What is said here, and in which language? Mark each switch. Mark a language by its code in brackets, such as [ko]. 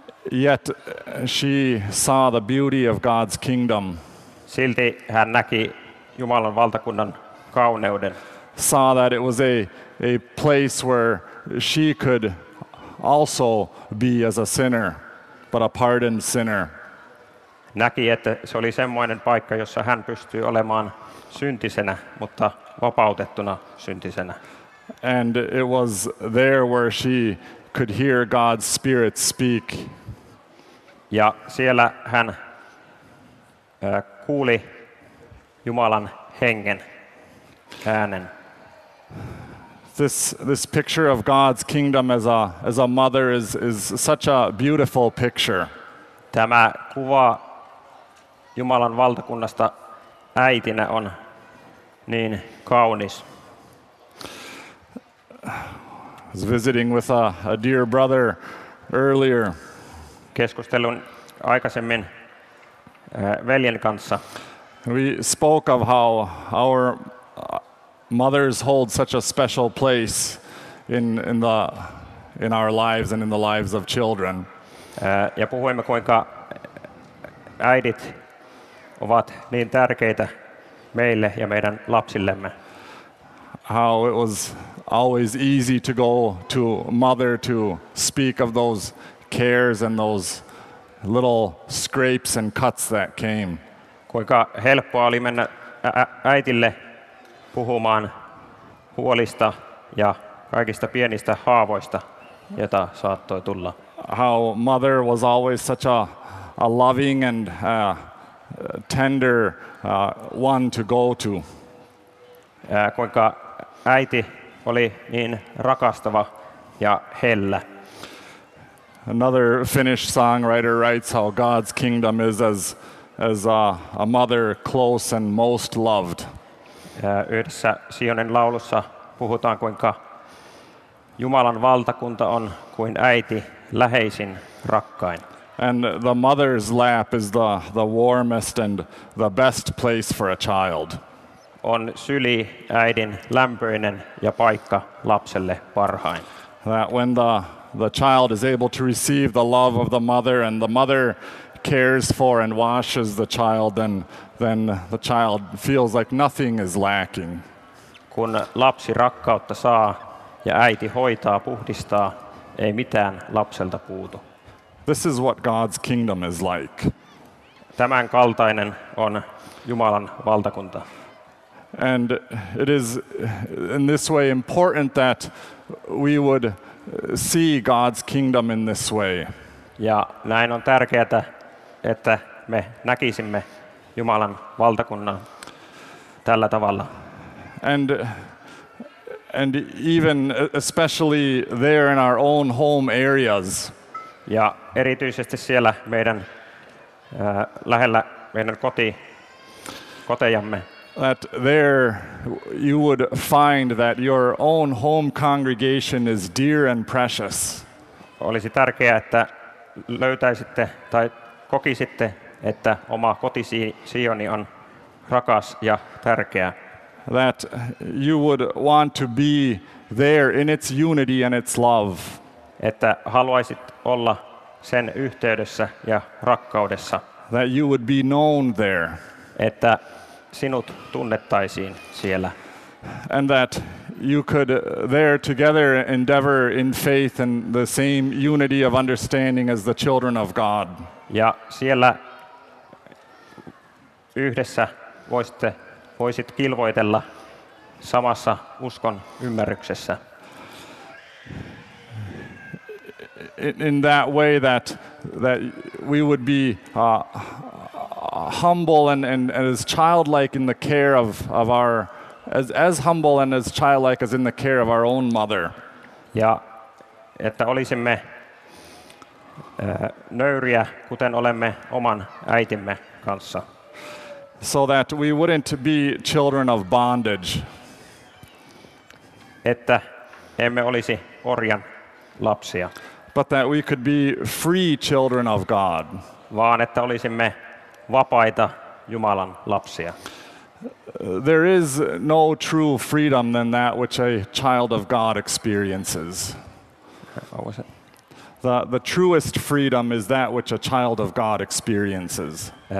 [en] Yet she saw the beauty of God's kingdom. [fi] Silti hän näki Jumalan valtakunnan kauneuden. [en] Saw that it was a place where she could also be as a sinner, but a pardoned sinner. [fi] Näki, että se oli semmoinen paikka, jossa hän pystyy olemaan syntisenä, mutta vapautettuna syntisenä. [en] And it was there where she could hear God's Spirit speak. [fi] Ja siellä hän kuuli Jumalan hengen äänen. [en] This picture of God's kingdom as a mother is such a beautiful picture. [fi] Tämä kuva Jumalan valtakunnasta äitinä on niin kaunis. [en] I was visiting with a dear brother earlier. [fi] Keskustelun aikaisemmin veljen kanssa. [en] We spoke of how our mothers hold such a special place in our lives and in the lives of children. [fi] Ja puhuimme kuinka äidit ovat niin tärkeitä meille ja meidän lapsillemme. [en] How it was always easy to go to mother to speak of those cares and those little scrapes and cuts that came. [fi] Kuinka helppoa oli mennä äitille puhumaan huolista ja kaikista pienistä haavoista, joita saattoi tulla. [en] How mother was always such a loving and tender one to go to. [fi] Kuinka äiti oli niin rakastava ja hellä. [en] Another Finnish songwriter writes how God's kingdom is as a mother close and most loved. [fi] Yhdessä Sionin laulussa puhutaan kuinka Jumalan valtakunta on kuin äiti läheisin rakkain. [en] And the mother's lap is the warmest and the best place for a child. [fi] on syli äidin lämpöinen ja paikka lapselle parhain. [en] That when the child is able to receive the love of the mother and the mother cares for and washes the child, then the child feels like nothing is lacking. [fi] Kun lapsi rakkautta saa ja äiti hoitaa, puhdistaa, ei mitään lapselta puutu. [en] This is what God's kingdom is like. [fi] Tämän kaltainen on Jumalan valtakunta. [en] And it is in this way important that we would see God's kingdom in this way. [fi] Ja näin on tärkeää, että me näkisimme Jumalan valtakunnan tällä tavalla. [en] And even especially there in our own home areas. [fi] Ja erityisesti siellä meidän lähellä meidän kotejamme. [en] That there you would find that your own home congregation is dear and precious. [fi] Olisi tärkeää, että löytäisitte tai kokisitte, että oma kotisioni on rakas ja tärkeä. [en] That you would want to be there in its unity and its love. [fi] Että haluaisit olla sen yhteydessä ja rakkaudessa. [en] That you would be known there. [fi] Että sinut tunnettaisiin siellä. [en] And that you could there together endeavor in faith and the same unity of understanding as the children of God. [fi] Ja siellä yhdessä voisit kilvoitella samassa uskon ymmärryksessä. [en] In that way that we would be humble and as childlike in the care of our as humble and as childlike as in the care of our own mother. [fi] Ja että olisimme nöyriä, kuten olemme oman äitimme kanssa. [en] So that we wouldn't be children of bondage. [fi] Että emme olisi orjan lapsia. [en] But that we could be free children of God. [fi] Vaan että olisimme vapaita Jumalan lapsia. [en] There is no true freedom than that which a child of God experiences. What was it? The truest freedom is that which a child of God experiences.